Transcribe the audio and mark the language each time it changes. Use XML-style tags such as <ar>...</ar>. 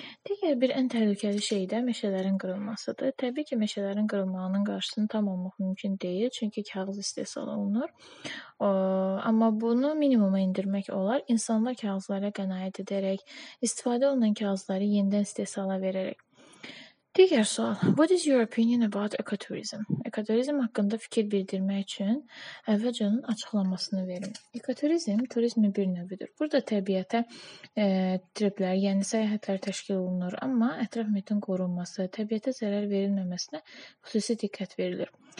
<az>Digər bir ən təhlükəli şey də meşələrin qırılmasıdır. Təbii ki, meşələrin qırılmağının qarşısını tam almaq mümkün deyil, çünki kağız istehsal olunur. Amma bunu minimuma indirmək olar, insanlar kağızlara qənaət edərək, istifadə olunan kağızları yenidən istehsala verərək. Digər sual.</az> <en>What is your opinion about ekoturizm?</en> <az>Ekoturizm haqqında fikir bildirmək üçün əvvəlcə onun açıqlamasını verim. Ekoturizm turizmi bir növüdür. Burada təbiətə triplər, yəni səyahətlər təşkil olunur, amma ətraf mühitin qorunması, təbiətə zərər verilməməsinə xüsusi diqqət verilir.</az>